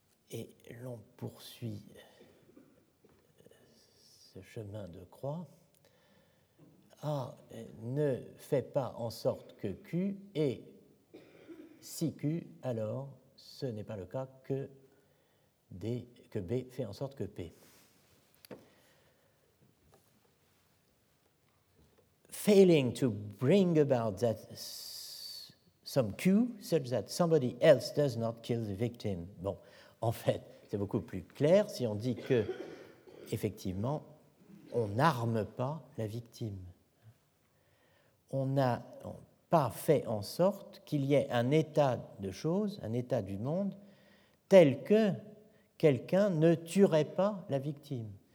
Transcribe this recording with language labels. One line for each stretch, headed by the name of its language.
French: Et l'on poursuit ce chemin de croix. A ne fait pas en sorte que Q ait, si Q, alors ce n'est pas le cas que D, que B fait en sorte que P.
English: Failing to bring about that some Q such that somebody else does not kill the victim.
French: Bon, en fait, c'est beaucoup plus clair si on dit que, effectivement, on n'arme pas la victime. On n'a pas fait en sorte qu'il y ait un état de choses, un état du monde, tel que quelqu'un ne tuerait pas la victime.